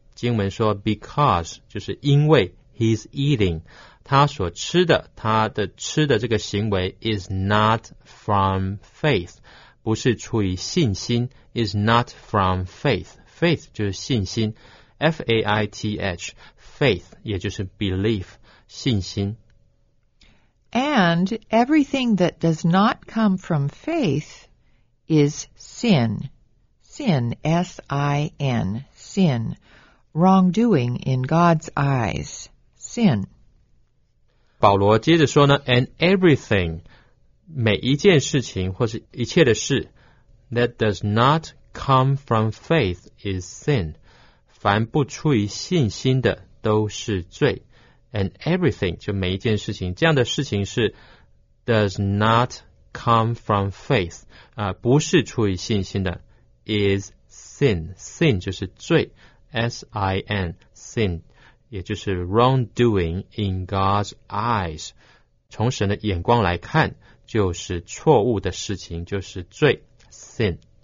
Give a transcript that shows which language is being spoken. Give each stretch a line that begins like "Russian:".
Chinese: 经文说 because, 就是因为 he's eating, 他所吃的，他的吃的这个行为
English: is not from faith,
Chinese: 不是出于信心 is not from faith, faith 就是信心 F-A-I-T-H, faith, 也就是 belief, 信心。
English: And everything that does not come from faith is sin. Sin, S-I-N, sin. Wrongdoing in God's eyes, sin.
Chinese: 保罗接着说呢,
English: and everything,
Chinese: 每一件事情或是一切的事,
English: that does not come from faith is sin.
Chinese: 凡不出于信心的都是罪。 And everything, 就每一件事情，这样的事情是
English: does not come from faith,
Chinese: 不是出于信心的 is sin, sin 就是罪 S-I-N, sin, 也就是
English: wrongdoing in God's eyes,
Chinese: 从神的眼光来看，就是错误的事情，就是罪 sin.